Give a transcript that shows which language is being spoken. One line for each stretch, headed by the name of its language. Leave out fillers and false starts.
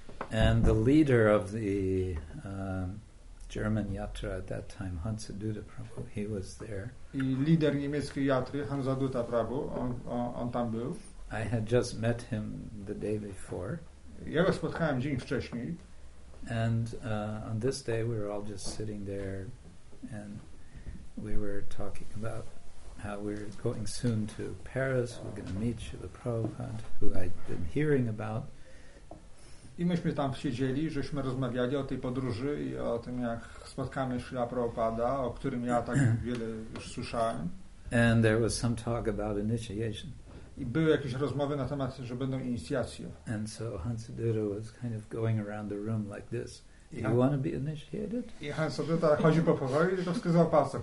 English: And the leader of the German Yatra at that time, Hansa Duda Prabhu, he was there.
Polish: I lider niemieckiej Yatry, Hansa Duda Prabhu, on tam był.
English: I had just met him the day before.
Polish: Ja go spotkałem dzień wcześniej.
English: And on this day we were all just sitting there and we were talking about how we're going soon to Paris, we're going to meet Śrīla Prabhupāda, who I'd been hearing about.
Polish: I myśmy tam siedzieli, żeśmy rozmawiali o tej podróży i o tym, jak spotkamy Śrīla Prabhupāda, o którym ja tak wiele już słyszałem.
English: And there was some talk about initiation.
Polish: I były jakieś rozmowy na temat, że będą inicjacje.
English: And so Hansa Duda was kind of going around the room like this. Do you want to be initiated?
Polish: I Hansa Duda chodzi po pokoju i to wskazał palcem.